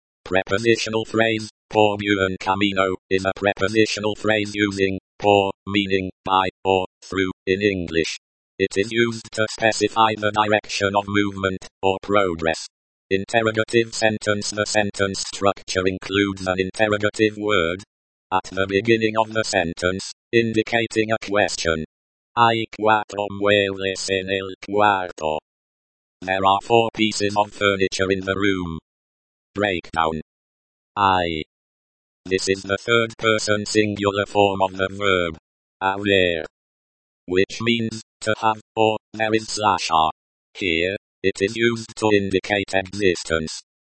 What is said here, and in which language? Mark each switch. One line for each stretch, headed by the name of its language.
English: Prepositional phrase,
Spanish: por buen camino,
English: is a prepositional phrase using por, meaning by, or through, in English. It is used to specify the direction of movement, or progress. Interrogative sentence. The sentence structure includes an interrogative word at the beginning of the sentence, indicating a question.
Spanish: Hay cuatro muebles en el cuarto.
English: There are 4 pieces of furniture in the room. Breakdown. Ay. This is the third person singular form of the verb. Haber. Which means, to have, or, there is slash are. Here, it is used to indicate existence.